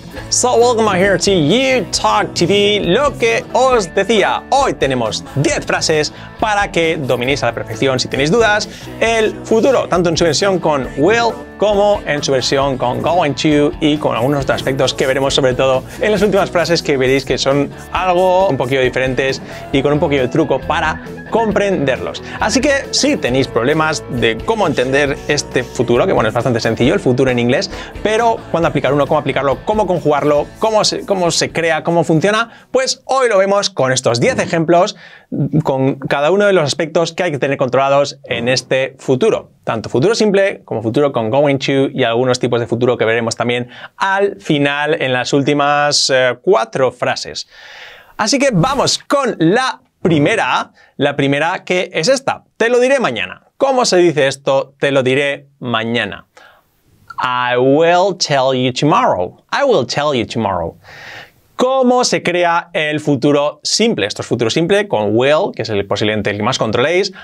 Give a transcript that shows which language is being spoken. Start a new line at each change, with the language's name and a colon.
English: So welcome out here to UTalk TV.
Spanish: Lo que os decía, hoy tenemos 10 frases para que dominéis a la perfección, si tenéis dudas, el futuro, tanto en su versión con will como en su versión con going to y con algunos otros aspectos que veremos sobre todo en las últimas frases, que veréis que son algo un poquito diferentes y con un poquito de truco para comprenderlos. Así que si tenéis problemas de cómo entender este futuro, que bueno, es bastante sencillo el futuro en inglés, pero cuándo aplicar uno, cómo aplicarlo, cómo conjugarlo, cómo se crea, cómo funciona, pues hoy lo vemos con estos 10 ejemplos, con cada uno de los aspectos que hay que tener controlados en este futuro. Tanto futuro simple como futuro con going to y algunos tipos de futuro que veremos también al final en las últimas 4 frases. Así que vamos con la primera que es esta. Te lo diré mañana. ¿Cómo se dice esto? Te lo diré mañana.
English: I will tell you tomorrow. I will tell you tomorrow.
Spanish: ¿Cómo se crea el futuro simple? Esto es futuro simple con will, que es el posiblemente el que más controléis.